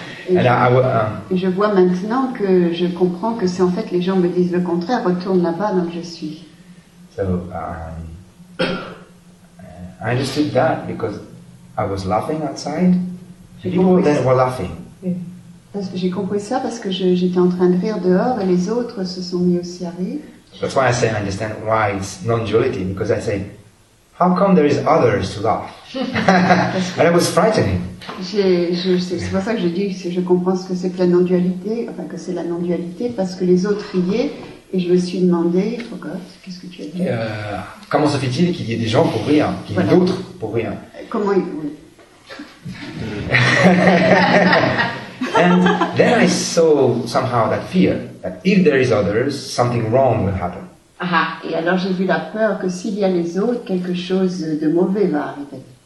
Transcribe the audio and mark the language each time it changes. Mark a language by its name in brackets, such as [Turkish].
[French] Je vois maintenant que je comprends que c'est en fait les gens me disent le contraire, retourne là-bas donc je suis. [English] So I understood that because I was laughing outside. People then were laughing. [French] Parce que j'ai compris ça parce que j'étais en train de rire dehors et les autres se sont mis aussi à rire. [English] That's why I say I understand why it's non-duality, because I say, how come there is others to laugh? And it was frightening. [French] C'est pour ça que je dis que je comprends ce que c'est que la non-dualité, enfin que c'est la non-dualité, parce que les autres riaient et je me suis demandé, Fogot, qu'est-ce que tu as dit? Comment se fait-il qu'il y ait des gens pour rire, qu'il y ait d'autres pour rire? Comment ils rient? [English] And then I saw somehow that fear, that if there is others, something wrong will happen. [French] Aha, et alors j'ai vu la peur que s'il y a les autres, quelque chose de mauvais va arriver.